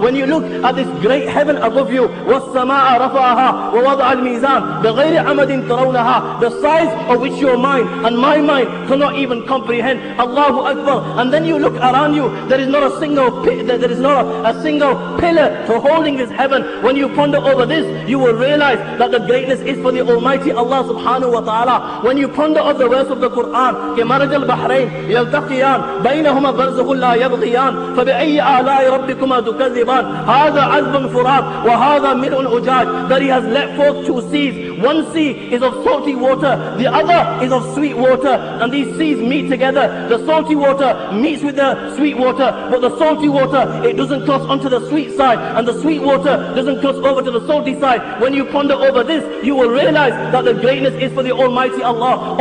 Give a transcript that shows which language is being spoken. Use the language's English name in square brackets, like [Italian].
[English] When you look at this great heaven above you, [Arabic] والسماء رفعها ووضع الميزان بغير عمد ترونها, [English] the size of which your mind and my mind cannot even comprehend. [Arabic] Allahu Akbar. [English] And then you look around you, there is not a single pillar to holding this heaven. When you ponder over this, you will realize that the greatness is for the Almighty Allah subhanahu wa ta'ala. When you ponder over the verse of the Quran, [Arabic] كمرج البحرين يلتقيان بينهما برزخ لا يبغيان فبأي آلاء ربكما تكذبان هذا عذب فرات وَهَذَا مِلْءٌ أُجَاجٌ, [English] that he has let forth two seas. One sea is of salty water, the other is of sweet water, and these seas meet together. The salty water meets with the sweet water, but the salty water, it doesn't cross onto the sweet side, and the sweet water doesn't cross over to the salty side. When you ponder over this, you will realize that the greatness is for the Almighty Allah.